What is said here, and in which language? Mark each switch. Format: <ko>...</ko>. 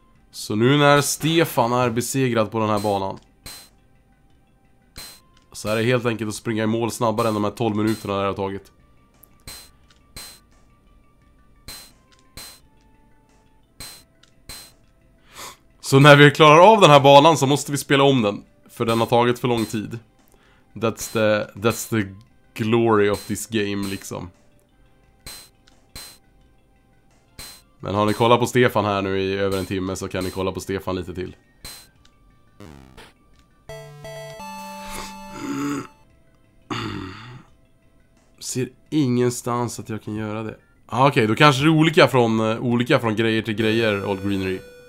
<sv>Så nu när Stefan är besegrad på den här banan, så är det helt enkelt att springa i mål snabbare än de här 12 minuterna det har tagit. Så när vi klarar av den här banan så måste vi spela om den, för den har tagit för lång tid.</sv> <en>That's the glory of this game, liksom.</en> <sv>Men har ni kollat på Stefan här nu i över en timme, så kan ni kolla på Stefan lite till. Ser ingenstans att jag kan göra det. Okej, då kanske det är olika från grejer till grejer, Old Greenery.</sv>